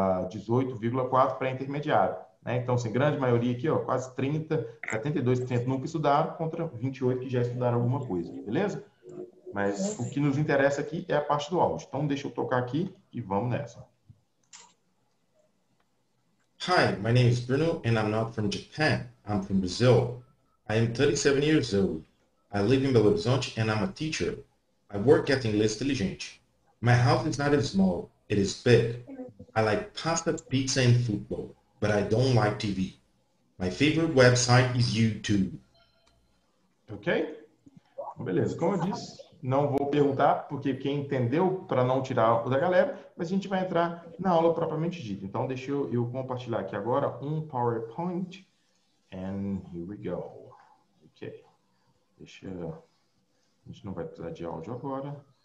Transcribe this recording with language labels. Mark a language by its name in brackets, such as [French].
[Portuguese] 18,4% para intermediário, né? Então, assim, grande maioria aqui, ó, quase 30%, 72% nunca estudaram contra 28% que já estudaram alguma coisa, beleza? Mas o que nos interessa aqui é a parte do áudio. Então, deixa eu tocar aqui e vamos nessa. [English] Hi, my name is Bruno and I'm not from Japan. I'm from Brazil. I am 37 years old. I live in Belo Horizonte and I'm a teacher. I work at Inglês Inteligente. My house is not as small, it is big. I like pasta, pizza and football, but I don't like TV. My favorite website is YouTube. Ok? [Portuguese] Beleza, como eu disse, não vou perguntar, porque quem entendeu, para não tirar o da galera, mas a gente vai entrar na aula propriamente dita. Então, deixa eu compartilhar aqui agora um PowerPoint. And here we go. Ok. Deixa eu... A gente não vai precisar de áudio agora.